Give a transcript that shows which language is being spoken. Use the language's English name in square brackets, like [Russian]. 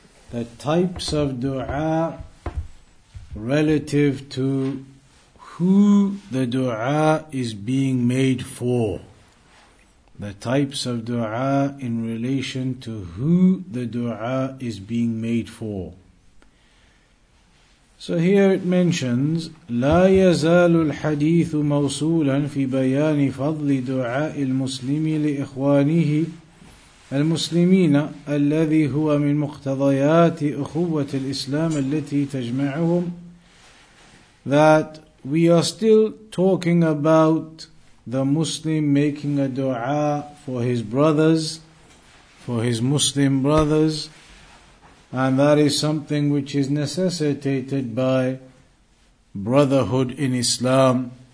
[English] The types of dua relative to who the dua is being made for. The types of dua in relation to who the dua is being made for. So here it mentions, [Arabic] لا يزال الحديث موصولا في بيان فضل دعاء المسلم لإخوانه المسلمين الذي هو من مقتضيات أخوة الإسلام التي تجمعهم. [English] That we are still talking about the Muslim making a dua for his brothers, for his Muslim brothers. And that is something which is necessitated by brotherhood in Islam.